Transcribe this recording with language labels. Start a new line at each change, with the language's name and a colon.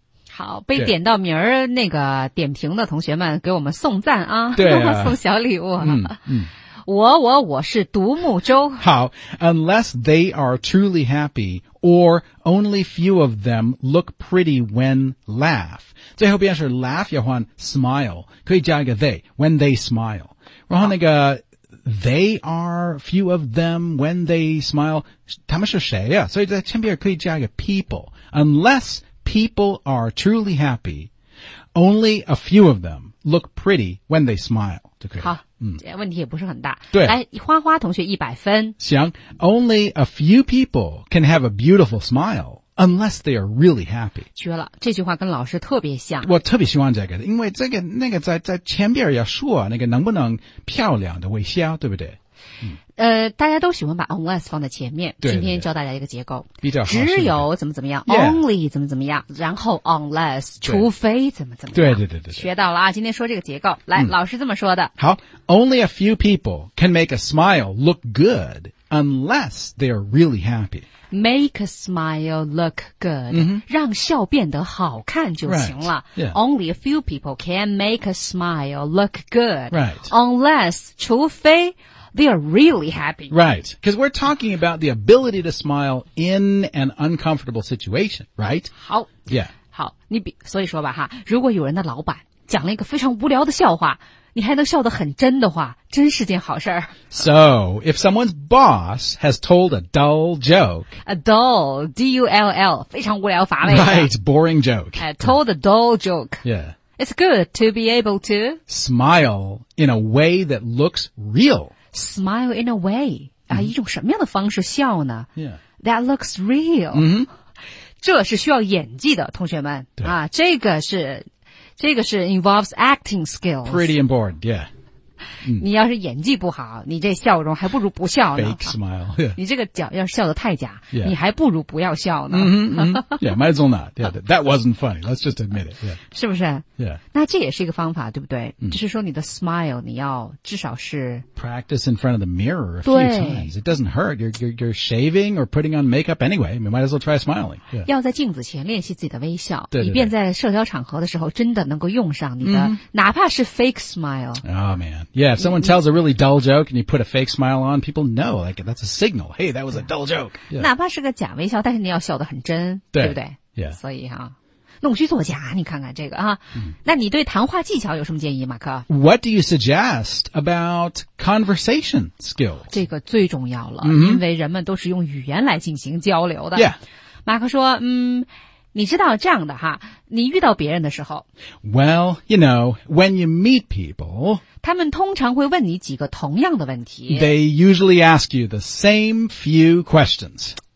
Chinese: 好，被点到名儿那个点评的同学们给我们送赞啊，对啊送小礼物。嗯嗯、我是独木舟。
English: 好 ，unless they are truly happy, or only few of them look pretty when laugh.
Chinese: 最后便是 laugh 要换 smile， 可以加一个 they when they smile。然后那个
English: they are few of them when they smile
Chinese: 他们是谁啊所以在前面可以加一个
English: people unless people are truly happy only a few of them look pretty when they smile
Chinese: 就可以好、问题也不是很大对来花花同学100分
English: 行 only a few people can have a beautiful smileUnless they are really happy.
Chinese: 绝了这句话跟老师特别像。我特别希望这个因为这个那个在前边要说那个能不能漂亮的微笑对不对、大家都喜欢把 unless 放在前面对对对今天教大家一个结构。比较好只有怎么怎么样、yeah. only 怎么怎么样然后 unless, 除非怎么怎么样。对对对 对, 对。学到了啊今天说这个结构。来、老师这么说的。
English: 好 ,only a few people can make a smile look good unless they are really happy. Make a smile look good,、
Chinese: 让笑变得好看就行了。
English: Right. Yeah. Only a few people can make a smile look good. Right. Unless,
Chinese: 除非
English: they are really happy. Right. Because we're talking about the ability to smile in an uncomfortable situation, right?
Chinese: 好。
English: Yeah.
Chinese: 好。所以说吧哈如果有人的老板讲了一个非常无聊的笑话你还能笑得很真的话真是件好事。
English: So, if someone's boss has told a dull joke. A dull, D-U-L-L,
Chinese: 非常无聊乏味。
English: Right, boring joke. Told a dull joke. Yeah. It's good to be able to smile in a way that looks real. Smile in a way.、
Chinese: 一种什么样的方式笑呢
English: ?Yeah. That looks real.、
Chinese: 这是需要演技的同学们。对。啊这个是这个是
English: involves acting skills. Pretty important, yeah.
Chinese: 你要是演技不好你这笑容还不如不笑呢。
English: Fake smile, yeah.
Chinese: 你这个脚要是笑得太假、
English: yeah.
Chinese: 你还不如不要笑呢。
English: Yeah, might as well not. Yeah, that wasn't funny. Let's just admit it. Yeah.
Chinese: 是不是
English: Yeah.
Chinese: 那这也是一个方法对不对、就是说你的 smile, 你要至少是
English: Practice in front of the mirror a few times. It doesn't hurt. You're shaving or putting on makeup anyway. You might as well try smiling.、Yeah.
Chinese: 要在镜子前练习自己的微笑对对对以便在社交场合的时候真的能够用上你的、哪怕是 fake smile.
English: Oh, man. Yeah, if someone tells a really dull joke and you put a fake smile on, people know, like, that's a signal. Hey, that was a dull joke.、Yeah.
Chinese: 哪怕是个假微笑但是你要笑得很真对, 对不对
English: Yeah.
Chinese: 所以啊弄虚作假你看看这个啊、那你对谈话技巧有什么建议马克
English: What do you suggest about conversation skills?
Chinese: 这个最重要了、因为人们都是用语言来进行交流的。
English: Yeah.
Chinese: 马克说你知道这样的哈你遇到别人的时候
English: Well, you know, when you meet people,
Chinese: 他们通常会问你几个同样的问题。
English: They usually ask you the same few questions.